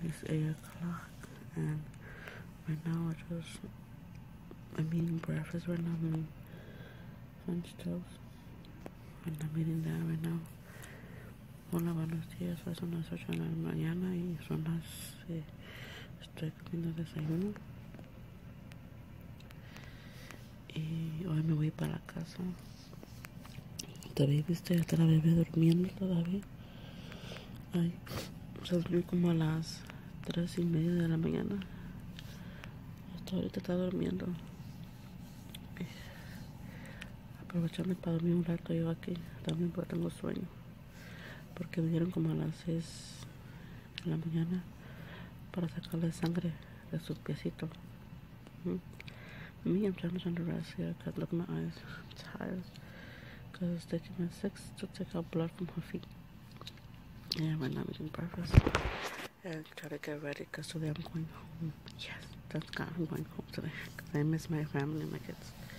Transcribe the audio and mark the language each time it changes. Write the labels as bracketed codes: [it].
[en] It's 8 o'clock, and right now I'm eating breakfast right now. I'm eating French toast, and I'm eating that right now. [es] Hola, buenos días. Son las 8 de la mañana, y son las estoy comiendo desayuno. Y hoy me voy para casa. Todavía durmiendo todavía. Ay. Salió como a las 3:30 de la mañana. Hasta ahorita está durmiendo. Aprovechame para dormir un rato yo aquí. También porque tengo sueño. Porque me dieron como a las 6 de la mañana para sacarle sangre de su piecito. [en] Me, I'm trying to rest here because look at my eyes. I'm tired. Because it's taking me 6 to take out blood from her feet. Yeah, right now I'm eating breakfast and try to get ready because today I'm going home. Yes, thank God I'm going home today because I miss my family and my kids.